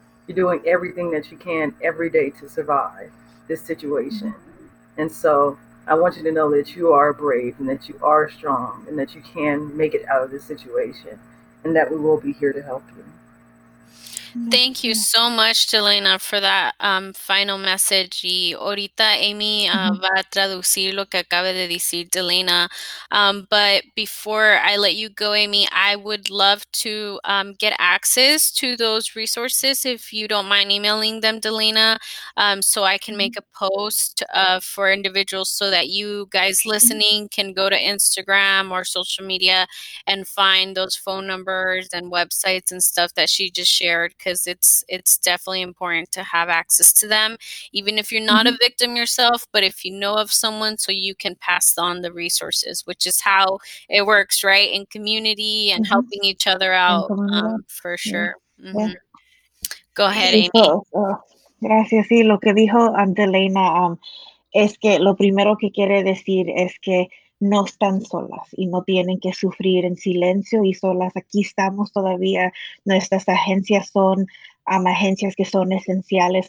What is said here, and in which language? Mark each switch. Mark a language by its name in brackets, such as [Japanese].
[English] You're doing everything that you can every day to survive this situation. And so I want you to know that you are brave and that you are strong and that you can make it out of this situation, and that we will be here to help you. Thank you so much, Delena, for that final message. [Spanish] Y ahorita Amy va a traducir lo que acaba de decir Delena. [English] But before I let you go, Amy, I would love to get access to those resources, if you don't mind emailing them, Delena, so I can make a post for individuals so that you guys listening can go to Instagram or social media and find those phone numbers and websites and stuff that she just shared, because it's definitely important to have access to them, even if you're not a victim yourself, but if you know of someone, so you can pass on the resources, which is how it works, right? In community and helping each other out, for sure. Go ahead, Amy. [Spanish] Gracias. Sí, lo que dijo Delena es que lo primero que quiere decir es que no están solas y no tienen que sufrir en silencio y solas. Aquí estamos todavía. Nuestras agencias son agencias que son esenciales.